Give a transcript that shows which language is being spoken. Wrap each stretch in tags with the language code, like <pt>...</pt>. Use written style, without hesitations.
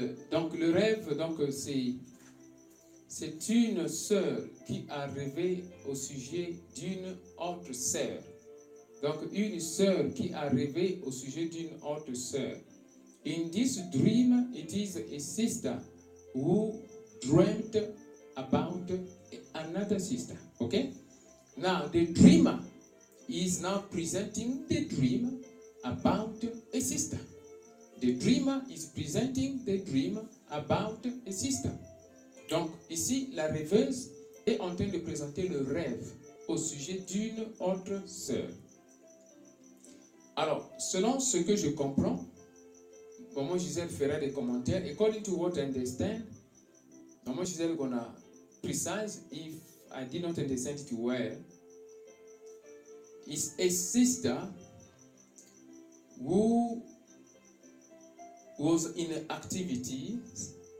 <fr>Donc, le rêve, donc, c'est une sœur qui a rêvé au sujet d'une autre sœur. Donc, une sœur qui a rêvé au sujet d'une autre sœur.</fr> <en>In this dream, it is a sister who dreamt about another sister. Okay? Now, the dreamer is now presenting the dream about a sister. The dreamer is presenting the dream about a sister.</en> <fr>Donc, ici, la rêveuse est en train de présenter le rêve au sujet d'une autre sœur. Alors, selon ce que je comprends, Maman Gisèle fera des commentaires.</fr> <en>According to what I understand, Maman Gisèle gonna precise if I did not understand it well. It's a sister who was in activities.</en>